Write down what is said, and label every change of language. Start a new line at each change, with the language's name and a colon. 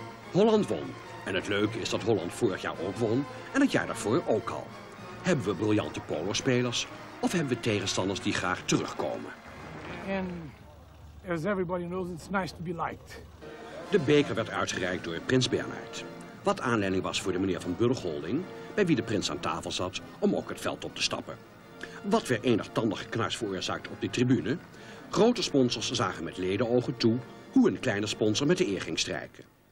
Dutch: Holland won. En het leuke is dat Holland vorig jaar ook won. En het jaar daarvoor ook al. Hebben we briljante polospelers of hebben we tegenstanders die graag terugkomen?
English: En as everybody knows, it's nice to be liked.
Dutch: De beker werd uitgereikt door prins Bernhard. Wat aanleiding was voor de meneer van Burg Holding, bij wie de prins aan tafel zat, om ook het veld op te stappen. Wat weer enig tandig geknars veroorzaakt op die tribune. Grote sponsors zagen met ledenogen toe hoe een kleine sponsor met de eer ging strijken.